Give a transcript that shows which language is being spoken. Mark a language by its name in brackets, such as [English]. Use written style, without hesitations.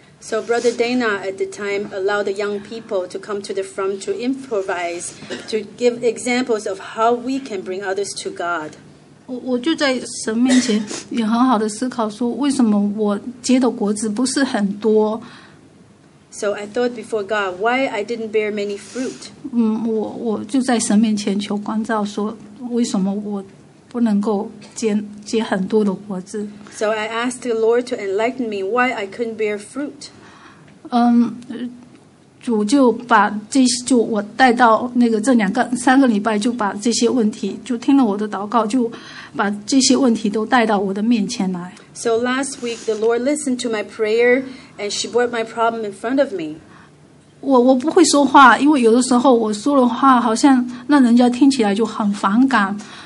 [English] So Brother Dana at the time allowed the young people to come to the front to improvise, to give examples of how we can bring others to God. [Chinese] 我就在神面前也很好的思考说，为什么我结的果子不是很多。 [English] So I thought before God, why I didn't bear many fruit? [Chinese] 我就在神面前求光照说，为什么我 不能够结很多的果子。 [English] So I asked the Lord to enlighten me why I couldn't bear fruit. [Chinese] 主就把这些，就我带到那个这两个三个礼拜，就把这些问题，就听了我的祷告，就把这些问题都带到我的面前来。 [English] So last week, the Lord listened to my prayer, and she brought my problem in front of me. [Chinese] 我不会说话，因为有的时候我说的话，好像让人家听起来就很反感。